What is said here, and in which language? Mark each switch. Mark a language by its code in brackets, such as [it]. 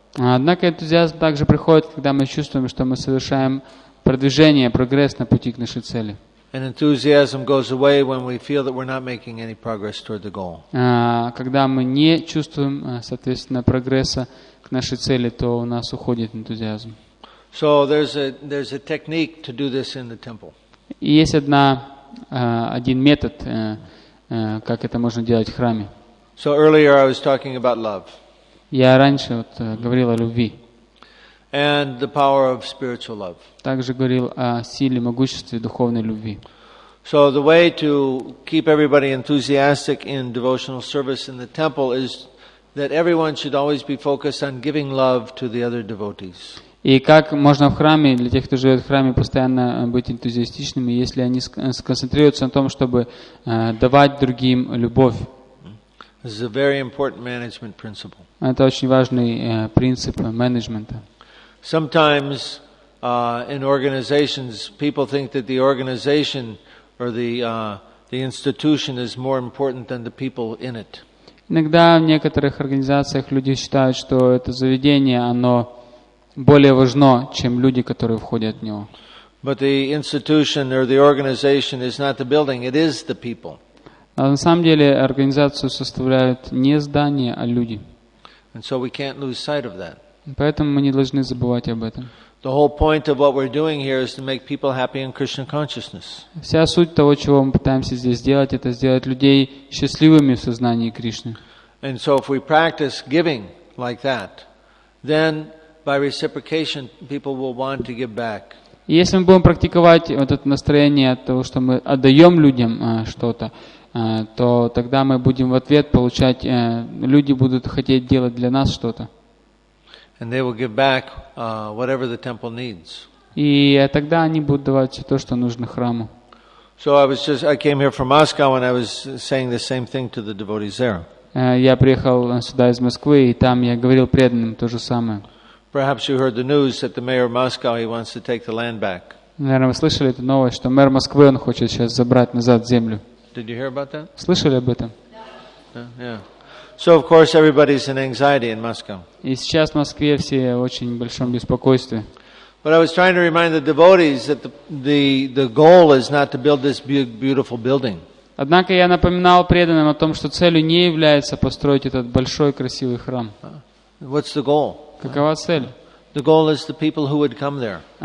[ru] Однако энтузиазм также приходит, когда мы чувствуем, что мы совершаем продвижение, прогресс на пути к нашей цели. [en] And enthusiasm goes away when we feel that we're not making any progress toward the goal. [ru] Когда мы не чувствуем, соответственно, прогресса к нашей цели, то у нас уходит энтузиазм. [en] So there's a technique to do this in the temple. [ru] Есть один метод, как это можно делать в храме. [en] So earlier I was talking about love. [ru] Я раньше вот говорил о любви. [en] And the power of spiritual love. [ru] Также говорил о силе, могуществе духовной любви. [en] So the way to keep everybody enthusiastic in devotional service in the temple is that everyone should always be focused on giving love to the other devotees. [ru] И как можно в храме, для тех, кто живет в храме, постоянно быть энтузиастичными, если они сконцентрируются на том, чтобы давать другим любовь? [en] This is a very important management principle. [ru] Это очень важный принцип менеджмента. [en] Sometimes in organizations people think that the organization or the institution is more important than the people in it. [ru] Иногда в некоторых организациях люди считают, что это заведение, оно более важно, чем люди, которые входят в него. [en] But the institution or the organization is not the building, it is the people. [ru] А на самом деле организацию составляют не здания, а люди. [en] And so we can't lose sight of that. [ru] Поэтому мы не должны забывать об этом. [en] The whole point of what we're doing here is to make people happy in Krishna consciousness. [ru] Вся суть того, чего мы пытаемся здесь сделать, это сделать людей счастливыми в сознании Кришны. [en] And so if we practice giving like that, then by reciprocation people will want to give back. [ru] Если мы будем практиковать вот это настроение того, что мы отдаем людям что-то, то тогда мы будем в ответ получать, люди будут хотеть делать для нас что-то. [en] And they will give back whatever the temple needs. [ru] И тогда они будут давать все то, что нужно храму. [en] So I came here from Moscow and I was saying the same thing to the devotees there. [ru] Я приехал сюда из Москвы, и там я говорил преданным то же самое. [en] Perhaps you heard the news that the mayor of Moscow he wants to take the land back. [ru] Наверное, вы слышали эту новость, что мэр Москвы он хочет сейчас забрать назад землю. [en] Did you hear about that? [ru] Слышали об этом? [en] Yeah. So of course everybody's in anxiety in Moscow. [ru] И сейчас в Москве все в очень большом беспокойстве. [en] But I was trying to remind the devotees that the goal is not to build this big beautiful building. [ru] Однако я напоминал преданным о том, что целью не является построить этот большой красивый храм. [en] What's the goal? [ru] Какова цель? [en] The goal is the people who would come there.